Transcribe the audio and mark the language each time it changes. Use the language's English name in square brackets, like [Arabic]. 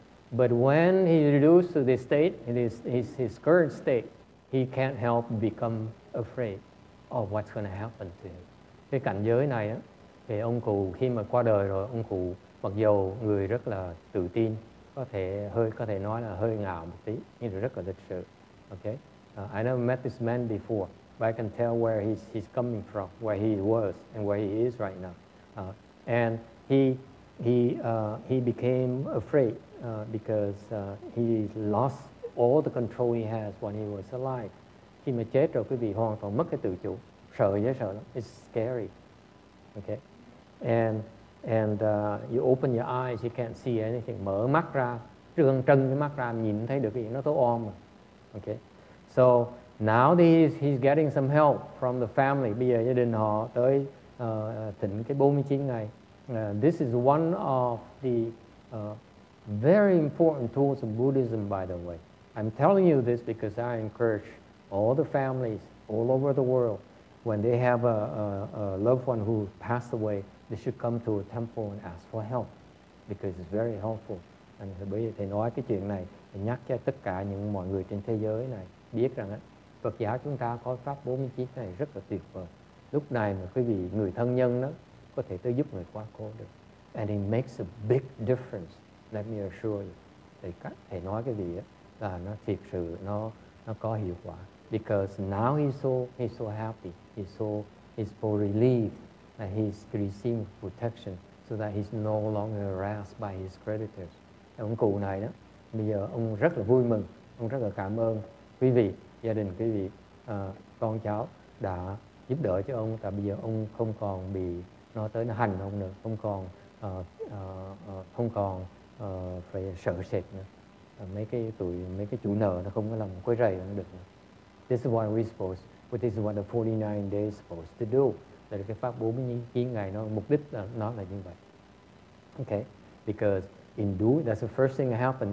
[English] But when he reduced to this state, his current state, he can't help become afraid of what's going to happen to him. [Vietnamese] Cái cảnh giới này á, thì ông cụ khi mà qua đời rồi, ông cụ mặc dù người rất là tự tin, có thể nói là hơi ngạo một tí, nhưng rất là lịch sự. [English] Okay, I never met this man before, but I can tell where he's coming from, where he was, and where he is right now, and he became afraid because he lost all the control he has when he was alive. [Vietnamese] Khi mà chết rồi, quý vị hoàn toàn mất cái tự chủ, sợ dễ sợ lắm. [English] It's scary, okay? And you open your eyes, you can't see anything. [Vietnamese] Mở mắt ra, trừng cái mắt ra, nhìn thấy được cái gì nó tối om mà. [English] Okay? So now he's getting some help from the family. [Vietnamese] Bây giờ gia đình họ tới thỉnh cái 49 ngày. [English] This is one of the very important tools of Buddhism, by the way. I'm telling you this because I encourage all the families all over the world, when they have a loved one who passed away, they should come to a temple and ask for help, because it's very helpful. [Vietnamese] And bây giờ thầy nói cái chuyện này, nhắc cho tất cả những mọi người trên thế giới này biết rằng á, Phật giáo chúng ta có pháp 49 này rất là tuyệt vời. Lúc này mà quý vị người thân nhân đó có thể tới giúp người quá cố được. [English] And it makes a big difference. Let me assure you. [Vietnamese] Thầy nói cái gì đó, là nó thiệt sự nó có hiệu quả. [English] Because now he's so happy, he's so relieved that he's receiving protection, so that he's no longer harassed by his creditors. [Vietnamese] Ông cụ này đó, bây giờ ông rất là vui mừng, ông rất là cảm ơn quý vị, gia đình quý vị, con cháu đã giúp đỡ cho ông. Tại bây giờ ông không còn bị nó tới nó hành ông nữa, không còn phải sợ sệt nữa. Mấy cái chủ nợ nó không có làm quấy rầy nó được nữa. [English] This is what we're supposed to do. This is what the 49 days supposed to do. [Vietnamese] Là cái pháp 49 ngày nó mục đích là nó là như vậy. [English] Okay, because in doing that's the first thing that happened.